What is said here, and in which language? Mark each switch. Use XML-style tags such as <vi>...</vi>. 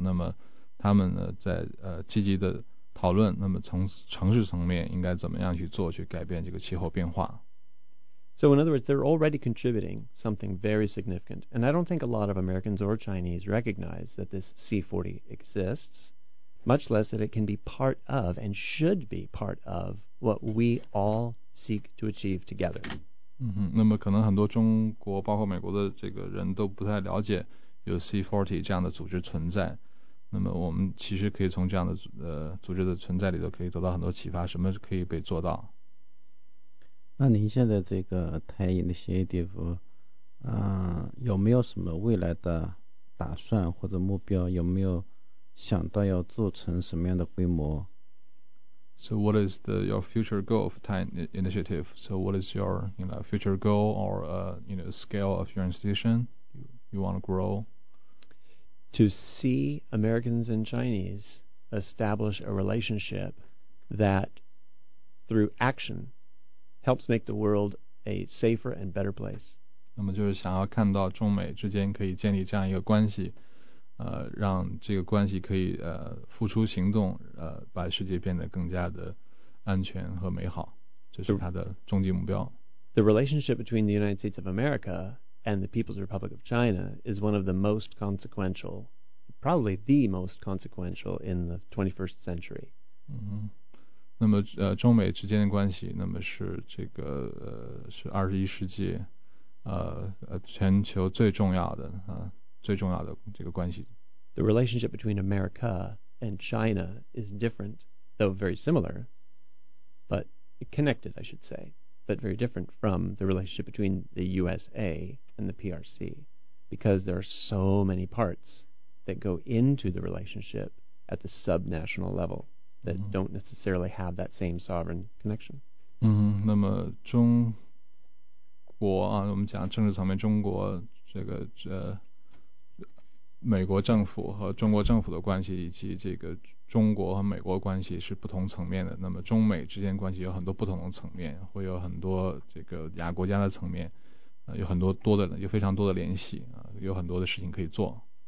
<zh>那么他们呢，在积极的讨论，那么从城市层面应该怎么样去做，去改变这个气候变化。</zh> <en>So in other words, they're already contributing something very significant, and I don't think a lot of Americans or Chinese recognize that this C40 exists, much less that it can be part of and should be part of what we all seek to achieve together.</en> <zh>那么可能很多中国，包括美国的这个人都不太了解有 C40 这样的组织存在。那么我们其实可以从这样的组织的存在里头可以得到很多启发，什么可以被做到。那您现在这个台银的 CADF 有没有什么未来的打算或者目标，有没有想到要做成什么样的规模？</zh> <en>So what is your future goal of Taiyin Initiative? So what is your future goal or scale of your institution you want to grow? To see Americans and Chinese establish a relationship that, through action, helps make the world a safer and better place.</en> <zh>那么就是想要看到中美之间可以建立这样一个关系，让这个关系可以付出行动，把世界变得更加的安全和美好，这是他的终极目标。</zh> <en>The relationship between the United States of America. And the People's Republic of China is one of the most consequential, probably the most consequential in the 21st century.</en> <zh>那么中美之间的关系，那么是这个是21世纪全球最重要的最重要的这个关系。</zh> <en>The relationship between America and China is different, though very similar, but connected, I should say. But very different from the relationship between the USA and the PRC, because there are so many parts that go into the relationship at the subnational level that don't necessarily have that same sovereign connection.</en> <zh>那么中国啊，我们讲政治层面，中国这个美国政府和中国政府的关系，以及这个中国和美国关系是不同层面的。那么中美之间关系有很多不同的层面，会有很多这个亚国家的层面，有很多多的，有非常多的联系，有很多的事情可以做。</zh>